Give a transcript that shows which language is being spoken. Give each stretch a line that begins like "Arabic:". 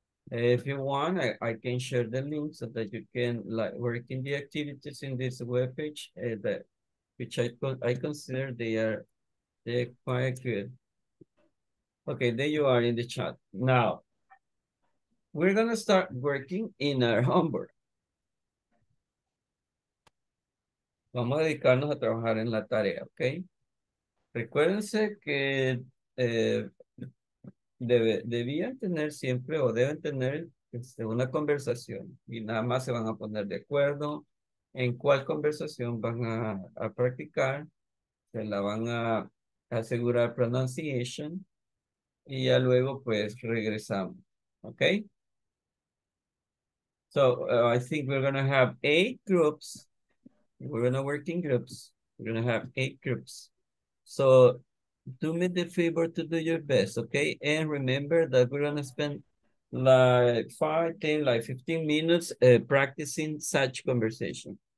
English: If you want, I can share the link so that you can like work in the activities in this webpage. I consider they're quite good. Okay, there you are in the chat. Now, we're gonna start working in our homework.
Spanish: Vamos a dedicarnos a trabajar en la tarea, ¿ok? Recuérdense que debían tener siempre o deben tener una conversación y nada más se van a poner de acuerdo en cuál conversación van a practicar, se la van a asegurar pronunciation y ya luego pues regresamos, ¿ok?
English: So, I think we're going to have 8 groups. We're gonna work in groups. We're gonna have 8 groups. So do me the favor to do your best, okay? And remember that we're gonna spend like 15 minutes practicing such conversation.